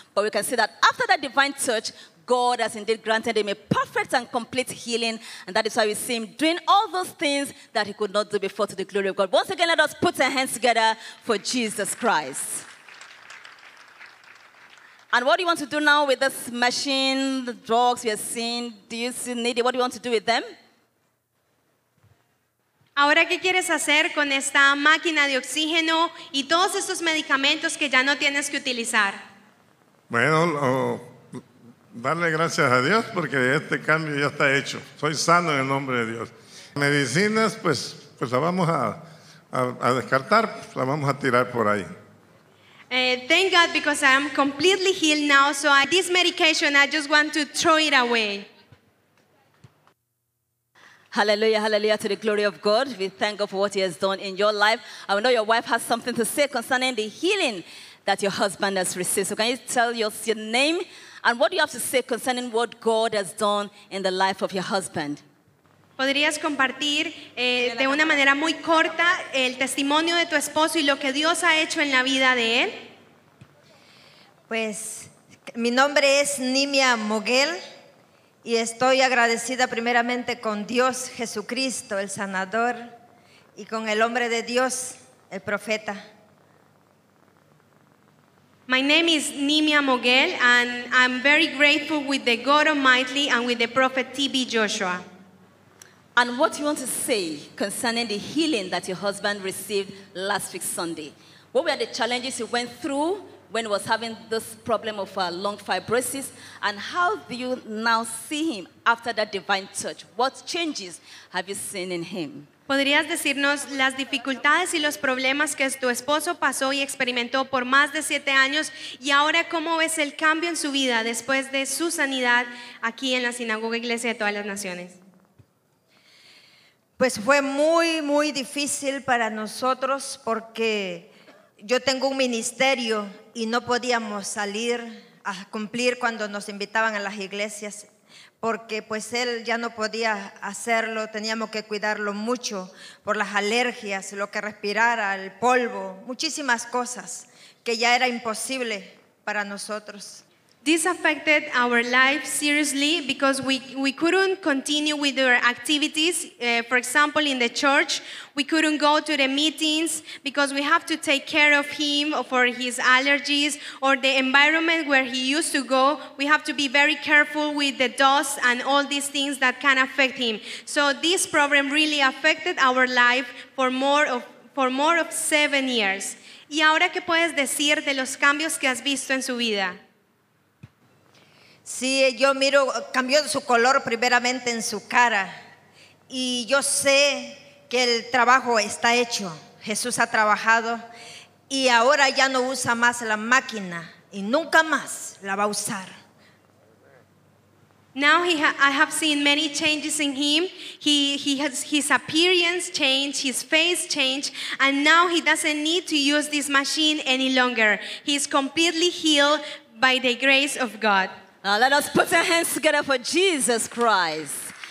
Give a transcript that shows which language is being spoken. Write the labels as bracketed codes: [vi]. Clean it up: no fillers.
[en] But we can see that after that divine touch, God has indeed granted him a perfect and complete healing, and that is why we see him doing all those things that he could not do before to the glory of God. Once again, let us put our hands together for Jesus Christ. And what do you want to do now with this machine, the drugs we are seeing? Do you still need it? What do you want to do with them? [es] Ahora, ¿qué quieres hacer con esta máquina de oxígeno y todos estos medicamentos que ya no tienes que utilizar? Bueno, darle gracias a Dios porque este cambio ya está hecho. Soy sano en el nombre de Dios. Medicinas, pues la vamos a descartar, la vamos a tirar por ahí. [en] Thank God because I'm completely healed now, so this medication I just want to throw it away. Hallelujah, hallelujah to the glory of God. We thank God for what he has done in your life. I know your wife has something to say concerning the healing that your husband has received. So can you tell us your name? And what do you have to say concerning what God has done in the life of your husband? [es] ¿Podrías compartir de una manera muy corta el testimonio de tu esposo y lo que Dios ha hecho en la vida de él? Pues, mi nombre es Nimia Moguel y estoy agradecida primeramente con Dios Jesucristo, el sanador, y con el hombre de Dios, el profeta. [en] My name is Nimia Moguel, and I'm very grateful with the God Almighty and with the prophet T.B. Joshua. And what do you want to say concerning the healing that your husband received last week Sunday? What were the challenges he went through when he was having this problem of lung fibrosis? And how do you now see him after that divine touch? What changes have you seen in him? [es] ¿Podrías decirnos las dificultades y los problemas que tu esposo pasó y experimentó por más de 7 años? ¿Y ahora cómo ves el cambio en su vida después de su sanidad aquí en la Sinagoga Iglesia de Todas las Naciones? Pues fue muy, muy difícil para nosotros porque yo tengo un ministerio y no podíamos salir a cumplir cuando nos invitaban a las iglesias. porque pues él ya no podía hacerlo, teníamos que cuidarlo mucho por las alergias, lo que respirara, el polvo, muchísimas cosas que ya era imposible para nosotros. [en] This affected our life seriously because we couldn't continue with our activities. For example, in the church, we couldn't go to the meetings because we have to take care of him or for his allergies or the environment where he used to go. We have to be very careful with the dust and all these things that can affect him. So this problem really affected our life for more of 7 years. [es] ¿Y ahora qué puedes decir de los cambios que has visto en su vida? Sí, yo miro, cambió su color primeramente en su cara. Y yo sé que el trabajo está hecho. Jesús ha trabajado y ahora ya no usa más la máquina y nunca más la va a usar. [en] Now I have seen many changes in him. He has his appearance changed, his face changed, and now he doesn't need to use this machine any longer. He is completely healed by the grace of God. Now let us put our hands together for Jesus Christ.